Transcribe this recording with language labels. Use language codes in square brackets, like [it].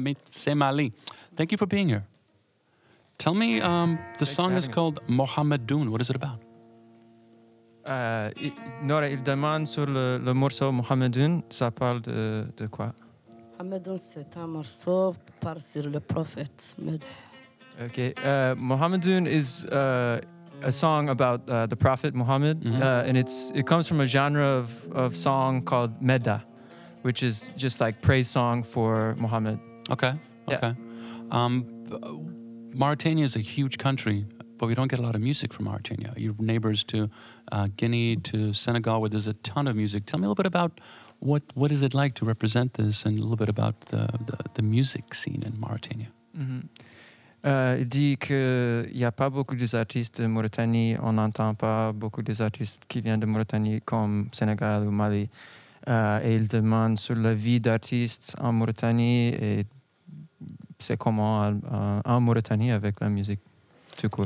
[en] Semali, thank you for being here. Tell me, the song is called Mohamed Doun. What is it about? [fr] Nora, il demande sur le morceau Mohamed Doun, ça parle de quoi? Mohamed Doun, c'est un morceau par sur le prophète Medh. [en] Okay, Mohamed Doun is a song about the prophet Muhammad, and it comes from a genre of song called Medha, which is just like praise song for Muhammad. Okay. Okay. Yeah. Mauritania is a huge country, but we don't get a lot of music from Mauritania. Your neighbors to Guinea, to Senegal, where there's a ton of music. Tell me a little bit about what is it like to represent this and a little bit about the music scene in Mauritania. [fr] Il dit qu'il n'y a pas beaucoup d'artistes de Mauritanie. On n'entend pas beaucoup d'artistes qui viennent de Mauritanie comme Sénégal ou Mali. Et il demande sur la vie d'artistes en Mauritanie et c'est comment en Mauritanie avec la musique, tout court.